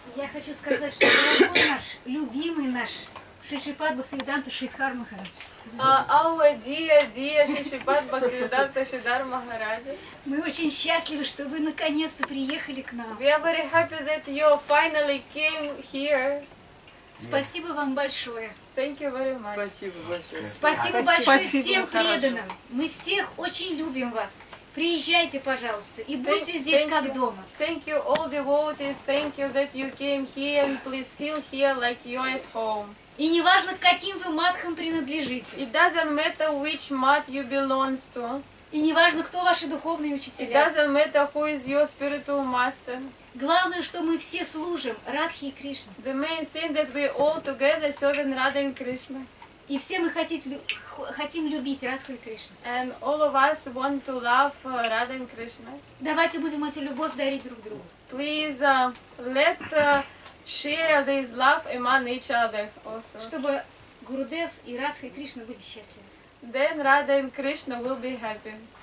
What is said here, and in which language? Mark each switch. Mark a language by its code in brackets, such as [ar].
[ru] Я хочу сказать, что дорогой наш, любимый наш Шишипад Бхактивиданта Шридхар Махарадж. Алла, Дия, Дия, Шишипад Бхактивиданта Шридхар Махарадж. Мы очень счастливы, что вы наконец-то приехали к нам. [en] We are very happy that you finally came here. [ru] Спасибо вам большое. [en] Thank you very much. [ru] Спасибо большое. Спасибо большое всем преданным. Мы всех очень любим вас. Приезжайте, пожалуйста, и будьте здесь как дома. [en] Thank you, all devotees. Thank you that you came here and please feel here like you're at home. [ru] И неважно, к каким вы матхам принадлежите. [en] It doesn't matter which mat you belongs to. [ru] И неважно, кто ваши духовные учителя. [en] It doesn't matter who is your spiritual master. [ru] Главное, что мы все служим Радхе и Кришне. [en] The main thing that we all together serving Radha and Krishna. [ru] И все мы хотим любить Радху и Кришну. [en] And all of us want to love Radha and Krishna. [ru] Давайте будем эту любовь дарить друг другу. [en] Please let share this love among each other also. [ru] Чтобы Гурудев и Радха и Кришна были счастливы. [en] Then Radha and Krishna will be happy.